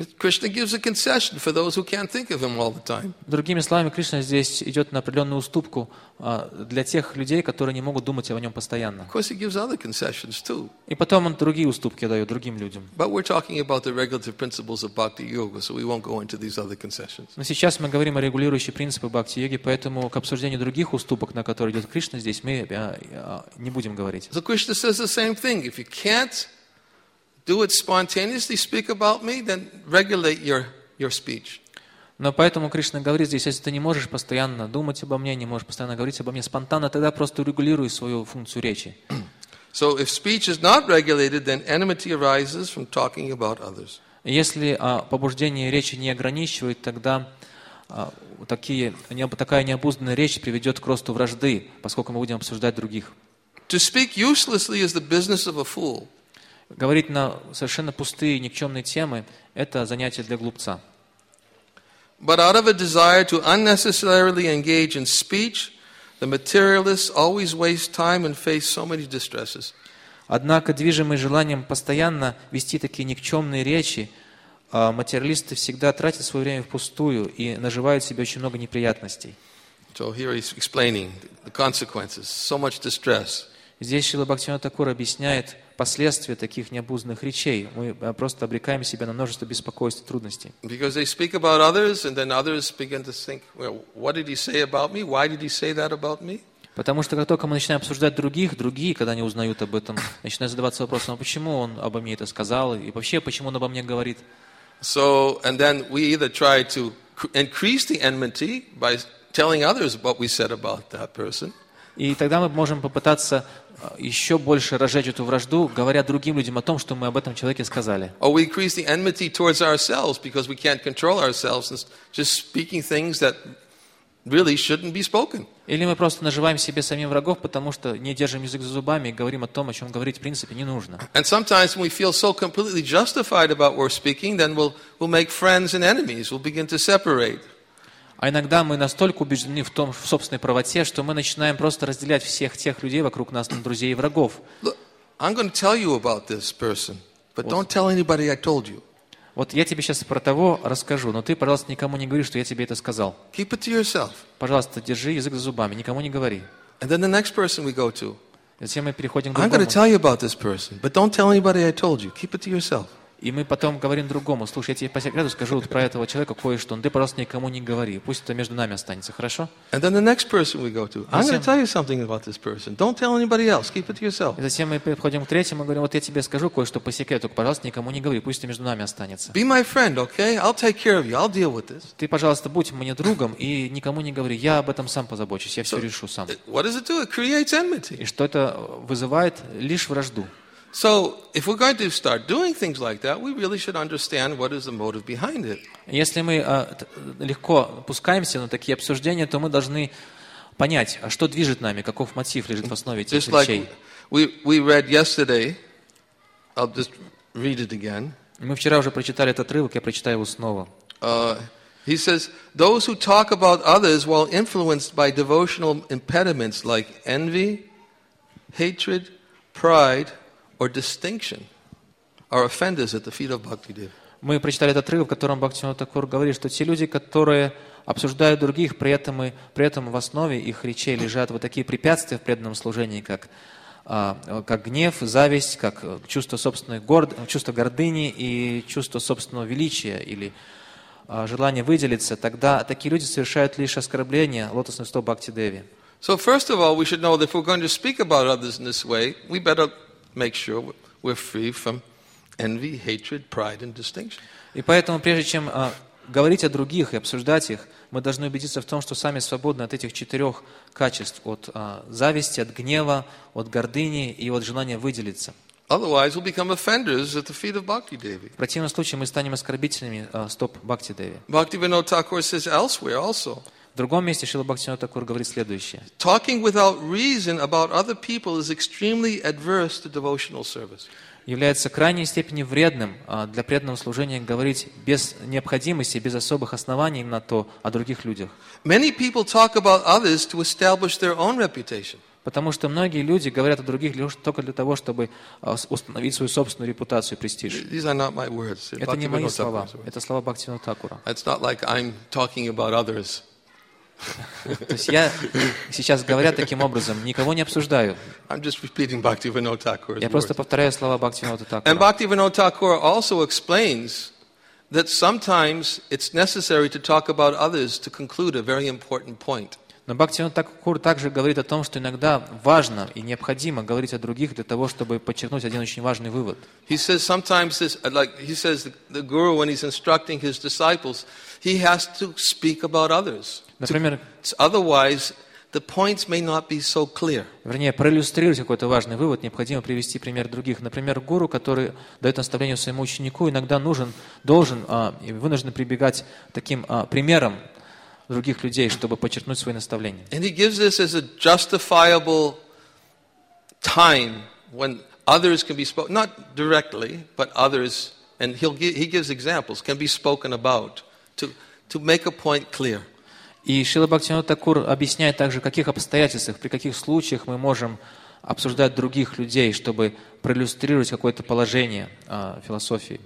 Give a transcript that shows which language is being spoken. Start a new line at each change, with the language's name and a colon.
English: Krishna gives a concession for those who can't think of him all the time.
Russian: Другими словами, Кришна здесь идет на определенную уступку для тех людей, которые не могут думать о нем постоянно.
English: Of course, he gives other concessions too.
Russian: И потом он другие уступки дает другим людям.
English: But we're talking about the regulative principles of bhakti yoga, so we won't go into these other concessions.
Russian: Но сейчас мы говорим о регулирующих принципах бхакти йоги, поэтому к обсуждению других уступок, на которые идет Кришна здесь, мы не будем говорить.
English: So Krishna says the same thing. If you can't do it spontaneously, speak about me, then regulate your speech.
Russian: Но поэтому Кришна говорит здесь, если ты не можешь постоянно думать обо мне, не можешь постоянно говорить обо мне спонтанно, тогда просто урегулируй свою функцию речи.
English: So if speech is not regulated, then enmity arises from talking about others.
Russian: Если побуждение речи не ограничивает, тогда такая необузданная речь приведет к росту вражды, поскольку мы будем обсуждать других.
English: To speak uselessly is the business of a fool.
Russian: Говорить на совершенно пустые, никчемные темы – это занятие для глупца.
English: But out of a desire to unnecessarily engage in speech, the materialists always waste time and face so many distresses.
Russian: Однако, движимые желанием постоянно вести такие никчемные речи, материалисты всегда тратят свое время впустую и наживают себе очень много неприятностей.
English: So here he's explaining the consequences. So much distress.
Russian: Здесь Шрила Бхактивинода Тхакура объясняет последствия таких необузданных речей. Мы просто обрекаем себя на множество беспокойств и трудностей.
English: Because they speak about others, and then others begin to think, well, what did he say about me? Why did he say that about me?
Russian: Потому что как только мы начинаем обсуждать других, другие, когда они узнают об этом, начинают задаваться вопросом, а почему он обо мне это сказал, и вообще, почему он обо мне говорит?
English: So, and then we either try to increase the enmity by telling others what we said about that person.
Russian: И тогда мы можем попытаться еще больше разжечь эту вражду, говоря другим людям о том, что мы об этом человеке сказали.
English: Or we increase the enmity towards ourselves because we can't control ourselves and just speaking things that really shouldn't be spoken.
Russian: Или мы просто наживаем себе самим врагов, потому что не держим язык за зубами и говорим о том, о чем говорить в принципе не нужно.
English: And sometimes when we feel so completely justified about what we're speaking, then we'll make friends and enemies. We'll begin to separate.
Russian: А иногда мы настолько убеждены в том, в собственной правоте, что мы начинаем просто разделять всех тех людей вокруг нас на друзей и врагов. Вот я тебе сейчас про того расскажу, но ты, пожалуйста, никому не говори, что я тебе это сказал.
English: Keep it to yourself.
Russian: Пожалуйста, держи язык за зубами, никому не говори.
English: And then the next person we go to.
Russian: Затем мы переходим к другому.
English: I'm going to tell you about this person, but don't tell anybody I told you. Keep it to yourself.
Russian: И мы потом говорим другому: слушай, я тебе по секрету скажу вот про этого человека кое-что, но ты, пожалуйста, никому не говори. Пусть это между нами останется, хорошо?
English: And then the next person we go to. I'm going to tell you something about this person. Don't tell anybody else. Keep it to yourself.
Russian: И затем мы переходим к третьему и говорим: вот я тебе скажу кое-что по секрету, пожалуйста, никому не говори, пусть это между нами останется.
English: Be my friend, okay? I'll take care of you. I'll deal with this.
Russian: Ты, пожалуйста, будь мне другом и никому не говори. Я об этом сам позабочусь, я все решу сам.
English: What does it do? It creates enmity.
Russian: И что это вызывает? Лишь вражду.
English: So, if we're going to start doing things like that, we really should understand what is the motive behind it.
Russian: Если мы легко пускаемся на такие обсуждения, то мы должны понять, а что движет нами, каков мотив лежит в основе этих вещей.
English: Just like we read yesterday, I'll just read it again.
Russian: Мы вчера уже прочитали этот отрывок, я прочитаю его снова.
English: He says, those who talk about others while influenced by devotional impediments like envy, hatred, pride, or distinction are offenders at the feet of Bhaktidev.
Russian: Мы прочитали этот отрывок, в котором Бхактивинода Тхакур говорит, что те люди, которые обсуждают других, при этом в основе их речей лежат вот такие препятствия в преданном служении, как гнев, зависть, как чувство гордыни и чувство собственного величия или желание выделиться, тогда такие люди совершают лишь оскорбление лотосных стоп Бхактидеви.
English: So first of all, we should know that if we're going to speak about others in this way, we better make sure we're free from envy, hatred, pride, and distinction.
Russian: И поэтому, прежде чем говорить о других и обсуждать их, мы должны убедиться в том, что сами свободны от этих четырех качеств: от зависти, от гнева, от гордыни и от желания выделиться.
English: Otherwise, we'll become offenders at the feet of Bhakti Devi.
Russian: В противном случае мы станем оскорбителями стоп Бхакти Деви.
English: Bhaktivinoda Thakur says elsewhere also.
Russian: В другом месте Шрила Бхактивинода Тхакур говорит следующее.
English: Talking without reason about other people is extremely adverse to devotional service.
Russian: Является крайней степени вредным для преданного служения говорить без необходимости, без особых оснований на то о других людях.
English: Many people talk about others to establish their own reputation.
Russian: Потому что многие люди говорят о других лишь только для того, чтобы установить свою собственную репутацию и престиж.
English: These are not my words.
Russian: Это не мои слова. Это слова Бхактивинода Тхакура.
English: It's not like I'm talking about others.
Russian: То есть я сейчас говоря таким образом, никого не обсуждаю.
English: I'm just repeating Bhaktivinoda Thakur's words.
Russian: Я просто повторяю слова Бхактивинода Тхакура.
English: And Bhaktivinoda Thakur also explains that sometimes it's necessary to talk about others to conclude a very important point.
Russian: Но Бхактивинода Тхакур также говорит о том, что иногда важно и необходимо говорить о других для того, чтобы подчеркнуть один очень важный вывод.
English: He says sometimes this, like he says the guru when he's instructing his disciples, he has to speak about others.
Russian: Например,
English: otherwise the points may not be so clear.
Russian: Вернее, проиллюстрировать какой-то важный вывод, необходимо привести пример других. Например, гуру, который дает наставление своему ученику, иногда вынужден прибегать таким примерам других людей, чтобы подчеркнуть свои наставления.
English: And he gives this as a justifiable time when others can be spoken, not directly, but others, and he gives examples, can be spoken about to make a point clear.
Russian: И Шрила Бхактивинода Тхакур объясняет также, в каких обстоятельствах, при каких случаях мы можем обсуждать других людей, чтобы проиллюстрировать какое-то положение философии.